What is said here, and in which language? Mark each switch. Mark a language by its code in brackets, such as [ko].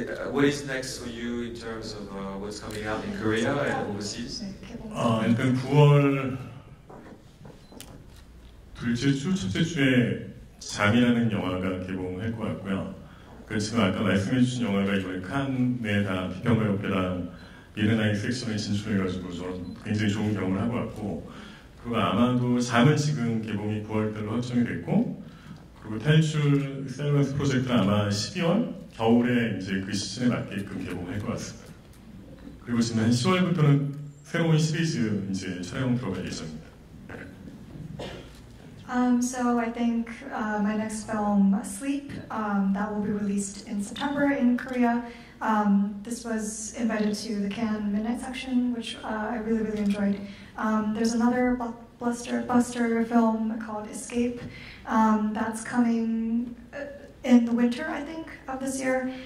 [en] What is next for you in terms of what's coming out in Korea and overseas? [ko] 일단 9월 둘째 주, 첫째 주에 잠이라는 영화가 개봉할 것 같고요. 그렇지만 아까 말씀해 주신 영화가 이번에 칸에 다 비평가 협회랑 미르나이 섹션에 진출해가지고 좀 굉장히 좋은 경험을 하고 왔고, 그리고 아마도 잠은 지금 개봉이 9월달로 확정이 됐고, 그리고 탈출 셀런스 프로젝트는 아마 12월? 겨울에 이제 그 시즌에 맞게끔 개봉할 것 같습니다. 그리고 지난 10월부터는 새로운 시리즈 이제 촬영 들어갈 예정입니다. [en] So I think my next film, Sleep, that will be released in September in Korea. This was invited to the Cannes Midnight Section, which I really, really enjoyed. There's another blockbuster film called Escape that's coming in the winter, I think, of this year.